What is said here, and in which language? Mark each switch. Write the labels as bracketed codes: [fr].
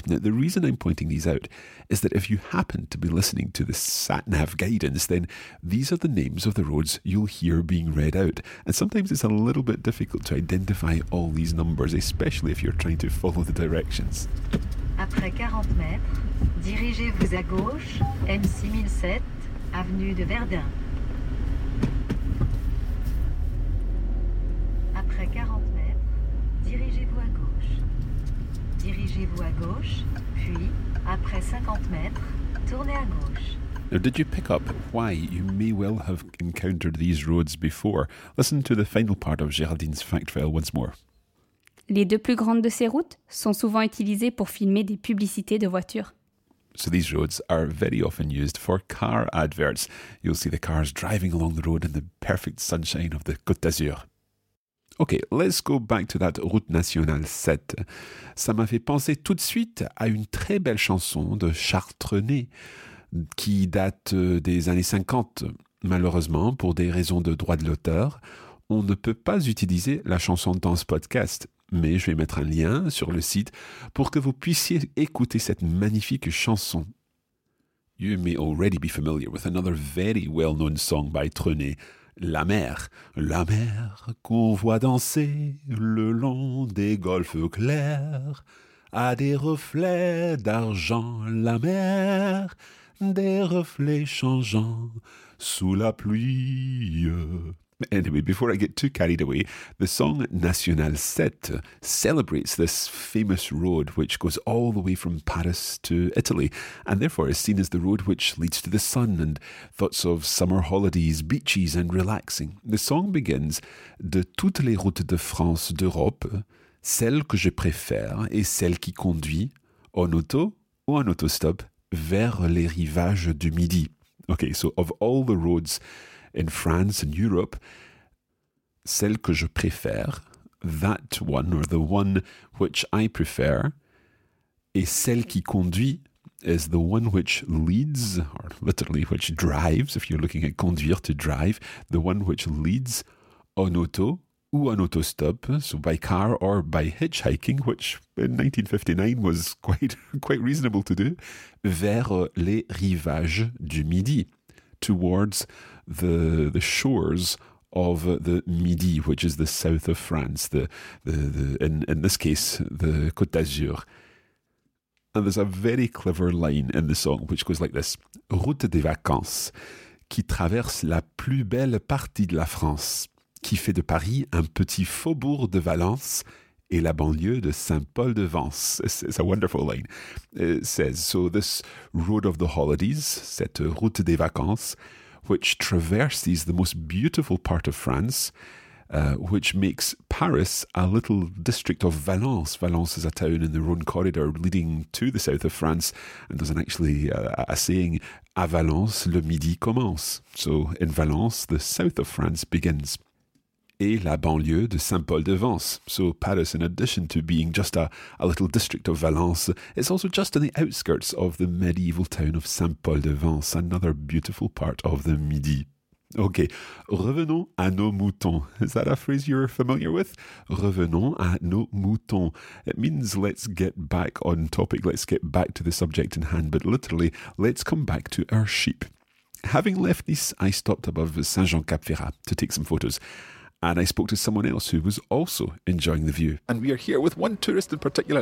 [en] Now, the reason I'm pointing these out is that if you happen to be listening to the sat-nav guidance, then these are the names of the roads you'll hear being read out. And sometimes it's a little bit difficult to identify all these numbers, especially if you're trying to follow the directions. [fr] Après 40 mètres, dirigez-vous à gauche, M6007, avenue de Verdun. Après 40 mètres, dirigez-vous à gauche. Dirigez-vous à gauche, puis, après 50 mètres, tournez à gauche. [en] Now, did you pick up why you may well have encountered these roads before? Listen to the final part of Géraldine's fact file once more. Les deux plus grandes de ces routes sont souvent utilisées pour filmer des publicités de voitures. So these roads are very often used for car adverts. You'll see the cars driving along the road in the perfect sunshine of the Côte d'Azur. OK, let's go back to that route nationale 7. [fr] Ça m'a fait penser tout de suite à une très belle chanson de Charles Trenet qui date des années 50. Malheureusement, pour des raisons de droit de l'auteur, on ne peut pas utiliser la chanson dans ce podcast. Mais je vais mettre un lien sur le site pour que vous puissiez écouter cette magnifique chanson. [en] You may already be familiar with another very well-known song by Trenet, La mer. [fr] La mer qu'on voit danser le long des golfes clairs a des reflets d'argent. La mer, des reflets changeants sous la pluie. [en] Anyway, before I get too carried away, the song Nationale 7 celebrates this famous road which goes all the way from Paris to Italy, and therefore is seen as the road which leads to the sun and thoughts of summer holidays, beaches and relaxing. The song begins, [fr] De toutes les routes de France d'Europe, celle que je préfère est celle qui conduit, en auto ou en autostop, vers les rivages du Midi. [en] Okay, so of all the roads in France and Europe, [fr] celle que je préfère, [en] that one, or the one which I prefer, [fr] et celle qui conduit, [en] is the one which leads, or literally which drives, if you're looking at conduire, to drive, the one which leads [fr] en auto ou en autostop, [en] so by car or by hitchhiking, which in 1959 was quite reasonable to do, [fr] vers les rivages du Midi. [en] Towards the shores of the Midi, which is the south of France, in this case, the Côte d'Azur. And there's a very clever line in the song, which goes like this. [fr] Route des vacances, qui traverse la plus belle partie de la France, qui fait de Paris un petit faubourg de Valence et la banlieue de Saint-Paul-de-Vence. [en] It's a wonderful line. It says, so this road of the holidays, [fr] cette route des vacances, [en] which traverses the most beautiful part of France, which makes Paris a little district of Valence. Valence is a town in the Rhone corridor leading to the south of France, and there's a saying, [fr] à Valence, le midi commence. [en] So in Valence, the south of France begins. [fr] Et la banlieue de Saint-Paul-de-Vence. [en] So Paris, in addition to being just a little district of Valence, it's also just on the outskirts of the medieval town of Saint-Paul-de-Vence, another beautiful part of the Midi. [fr] Okay, revenons à nos moutons. [en] Is that a phrase you're familiar with? [fr] Revenons à nos moutons. [en] It means let's get back on topic, let's get back to the subject in hand, but literally, let's come back to our sheep. Having left Nice, I stopped above Saint-Jean-Cap-Ferrat to take some photos. And I spoke to someone else who was also enjoying the view. And we are here with one tourist in particular.